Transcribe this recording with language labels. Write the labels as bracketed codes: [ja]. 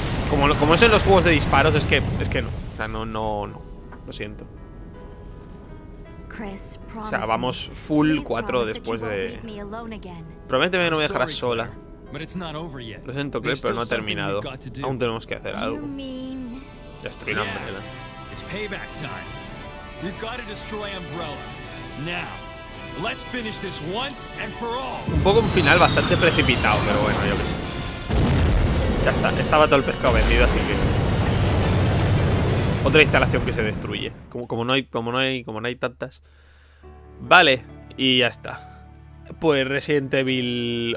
[es] Como es en los juegos de disparos, es que no. O sea, no. Lo siento. O sea, vamos full 4 después de... Prométeme que no me dejarás sola. Lo siento, Chris, pero no ha terminado. Aún tenemos que hacer algo. Destruir a Umbrella. [en] It's payback time. We've got to destroy Umbrella. Now, let's finish this once and for all. [es] Un poco un final bastante precipitado, pero bueno, yo qué sé. Ya está, estaba todo el pescado vendido, así que... Otra instalación que se destruye. Como no hay tantas. Vale, y ya está. Pues Resident Evil...